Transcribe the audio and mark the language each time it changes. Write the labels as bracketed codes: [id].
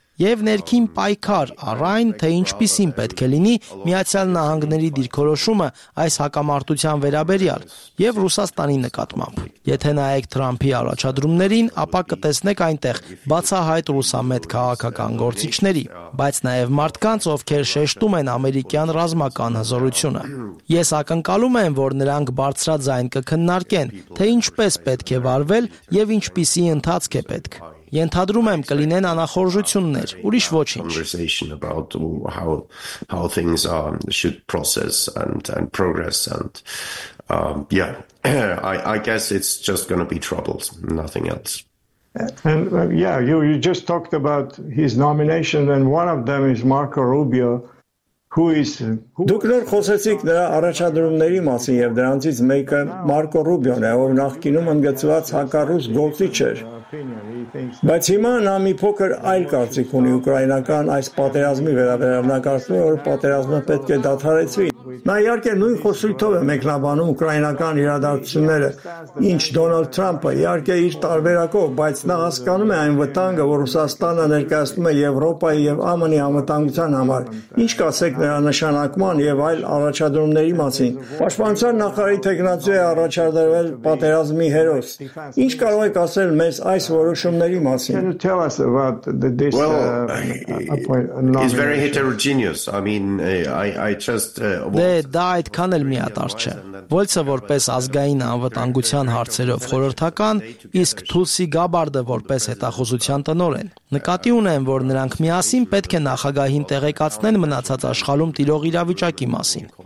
[hy] եւ ներքին պայքար, առայն թե ինչպեսին պետք է լինի Միացյալ Նահանգների դիրքորոշումը այս հակամարտության վերաբերյալ եւ Ռուսաստանի նկատմամբ։ Եթե նայեք Թրամփի առաջադրումներին, ապա կտեսնեք այնտեղ բացահայտ ռուսամետ քաղաքական գործիչների, բայց նաեւ մարդկանց, ովքեր շեշտում են ամերիկյան ռազմական հզորությունը։ Ես ակնկալում եմ, որ նրանք բարձրաձայն կքննարկեն, թե ինչպես պետք է վարվել եւ ինչպեսի ընթացք է պետք։ Ենթադրում եմ կլինեն անախորժություններ, ուրիշ ոչինչ։ [en] I guess it's just going to be troubles, nothing else. And yeah, you just talked about his nomination, and one of them is Marco Rubio, who [hy] Դուք նոր խոսեցիք նրա առաջադրումների մասին, եւ դրանից մեկը Մարկո Ռուբիոն է, որ նախկինում ընդգծված հակառուս գործիչ էր։ Բայց հիմա նա մի փոքր այլ կարծիք ունի ուկրաինական այս պատերազմի վերաբերյալ, նա կարծում է, որ պատերազմը պետք է դադարեցվի։ Նա իհարկե նույն խոսույթով է մեկնաբանում ուկրաինական իրադարձությունները, ինչ Դոնալդ Թրամփը, իհարկե իր տարբերակով, բայց նա հասկանում է այն վտանգը, որ Ռուսաստանը ներկայացնում է Եվրոպայի եւ ԱՄՆ-ի անվտանգության համար։ Ինչ կասեք նրա նշանակման եւ այլ առաջադրումների մասին։ Պաշտպանության նախարարի տեղնացույցը առաջադրվել պատերազմի հերոս։ Ինչ կարող եք ասել մեզ այս որոշումների մասին։ [en] Can you tell us about this appointment? It's very heterogeneous. I mean, I just [hy] Դե դա այդքան էլ միատար չէ։ Ոլցը որպես ազգային անվտանգության հարցերով խորհրդական, իսկ Թուլսի Գաբարդը որպես հետախուզության տնօր են։ Նկատի ունեմ, որ նրանք միասին պետք է նախագահին տեղեկացնեն մնացած աշխարհում տիրող իրավիճակի մասին։